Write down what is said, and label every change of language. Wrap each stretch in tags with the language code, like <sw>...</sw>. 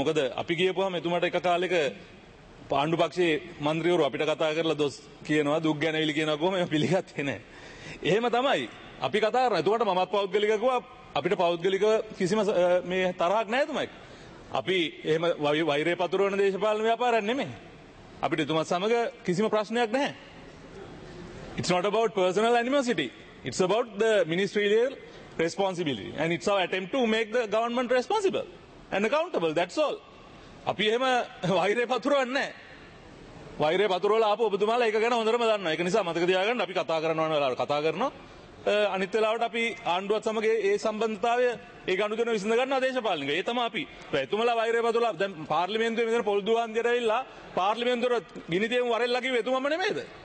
<si>මොකද අපි ගියපුවාම එතුමාට එක කාලෙක පාණ්ඩු පක්ෂයේ මන්ත්‍රීවරු අපිට කතා කරලා දොස් කියනවා, දුක් ගැනවිලි කියනවා. කොහොම ඒක පිළිගත්තේ නැහැ. එහෙම තමයි අපි කතා කරන. එතුමාට මමත් පෞද්ගලිකව ගියා. අපිට පෞද්ගලිකව කිසිම මේ තරහක් නැහැ එතුමායි. අපි එහෙම වෛරය පතුරවන දේශපාලන ව්‍යාපාරයක් නෙමෙයි. අපිට එතුමා සමග කිසිම ප්‍රශ්නයක් නැහැ.</si> <en>It's not about personal animosity. It's about the ministerial responsibility and it's our attempt to make the government responsible and accountable. That's all.</en> <si>අපි එහෙම වෛරය පතුරවන්නේ නැහැ. වෛරය පතුරවලා ආපු ඔබතුමාලා ඒක ගැන හොඳටම දන්නවා. ඒක නිසා මතක තියාගන්න අපි කතා කරනවා නේද? ඔයාලා කතා කරනවා. අනිත් වෙලාවට අපි ආණ්ඩුවත් සමග ඒ සම්බන්ධතාවය ඒ ගනුදෙනු විසඳ ගන්නවා දේශපාලනික. ඒ තමයි අපි. එතුමලා වෛරය පතුරවලා දැන් පාර්ලිමේන්තුවේ මෙතන පොල් දුවන් දෙර ඇවිල්ලා පාර්ලිමේන්තුවේ ගිනි තියමු වරෙල්ලා කිව්වේ එතුමම නෙමෙයිද?</si>